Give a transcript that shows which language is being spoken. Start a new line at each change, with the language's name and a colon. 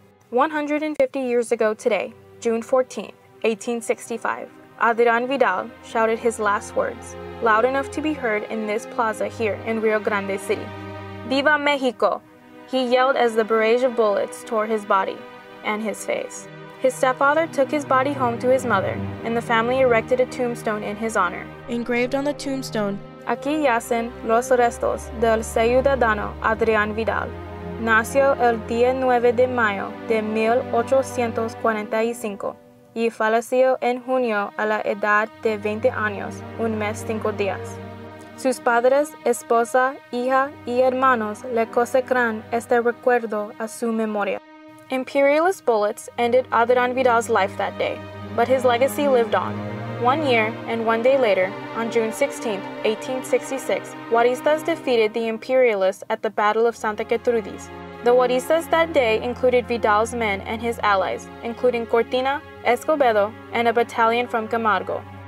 English: 150 years ago today, June 14, 1865, Adrian Vidal shouted his last words, loud enough to be heard in this plaza here in Rio Grande City.
Spanish: "Viva Mexico!"
English: he yelled as the barrage of bullets tore his body and his face. His stepfather took his body home to his mother, and the family erected a tombstone in his honor. Engraved on the tombstone,
Spanish: "Aquí yacen los restos del ciudadano Adrian Vidal. Nació el día 9 de mayo de 1845 y falleció en junio a la edad de 20 años, un mes, 5 días. Sus padres, esposa, hija y hermanos le consagran este recuerdo a su memoria."
English: Imperialist bullets ended Adrian Vidal's life that day, but his legacy lived on. 1 year and 1 day later, on June 16, 1866, Juaristas defeated the imperialists at the Battle of Santa Gertrudis. The Juaristas that day included Vidal's men and his allies, including Cortina, Escobedo, and a battalion from Camargo.